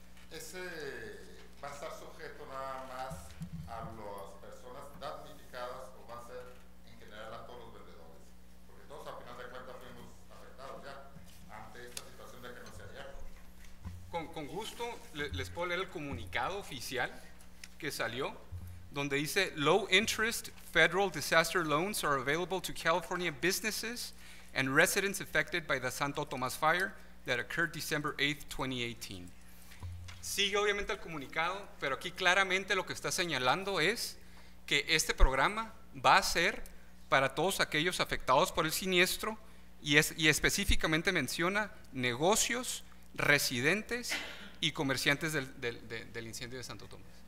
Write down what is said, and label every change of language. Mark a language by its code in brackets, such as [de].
[es] Ese va a estar sujeto nada más a las personas damnificadas, o va a ser en general a todos los vendedores, porque todos a final de cuentas fuimos afectados ya ante esta situación de que no se había. Con gusto les puedo leer el comunicado oficial que salió donde dice [en] low interest federal disaster loans are available to California businesses and residents affected by the Santo Tomas fire that occurred December 8, 2018. [es] Sigue obviamente el comunicado, pero aquí claramente lo que está señalando es que este programa va a ser para todos aquellos afectados por el siniestro y específicamente menciona negocios, residentes y comerciantes del incendio de Santo Tomás.